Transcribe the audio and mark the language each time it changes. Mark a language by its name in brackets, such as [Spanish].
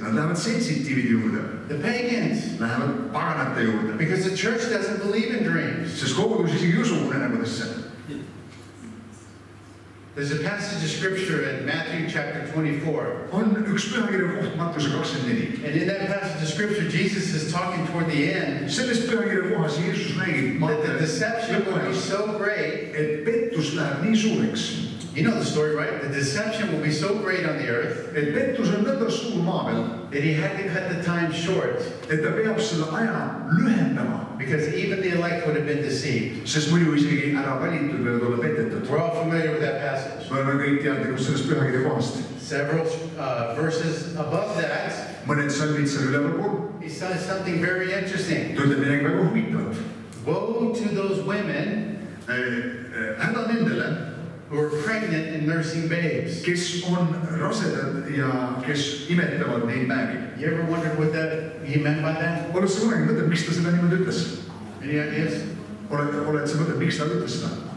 [Estonian] Nad lähevad sensitiivide juurde. [English] The pagans. [Estonian] Lähevad paganate juurde. [English] Because the church doesn't believe in dreams. [Estonian] Sest kogudus isegi usu unenägudesse. [English] There's a passage of scripture in Matthew chapter 24. [Estonian] On üks pühakirja koht Mattuse 24. [English] And in that passage of scripture, Jesus is talking toward the end. [Estonian] Selles pühakirja kohas Jeesus räägib. [English] That the deception would be so great. [Estonian] Et pettus läheb nii suureks. [English] You know the story, right? The deception will be so great on the earth. [Estonian] Et pettus on nõnda suur maa peal. [English] That he had to cut the time short. [Estonian] Et ta peab selle aja lühendama. [English] Because even the elect would have been deceived. [Estonian] Sest muidu isegi ära valitud võivad olla petetud. [English] We're all familiar with that passage. [Estonian] Me oleme kõik teadnud, kus sellest pühakirja kohast. [English] Several verses above that. [Estonian] Mõned salmid seal üleval pool. [English] He says something very interesting. [Estonian] Ta ütleb midagi väga huvitavat. [English] Woe to those women. [Estonian] Häda nendele. [English] Who are pregnant and nursing babes. [Estonian] Kes on rasedad ja kes imetavad neid päevi. [English] You ever wondered what that he meant by that? [Estonian] Oled sa kunagi mõtled, miks ta seda niimoodi ütles? [English] Any ideas? [Estonian] Oled sa mõtled, miks ta ütles seda?